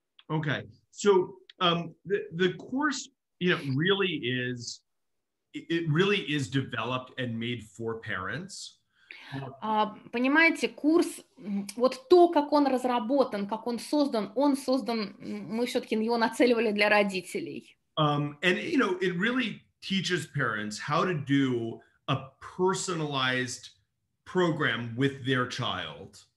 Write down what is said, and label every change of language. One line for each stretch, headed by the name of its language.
English: Okay, so the course, you know, really is, it really is developed and made for parents.
Russian: Понимаете, курс, вот то, как он разработан, как он создан, мы все-таки его нацеливали для родителей.
English: And, you know, it really teaches parents how to do a personalized program with their child.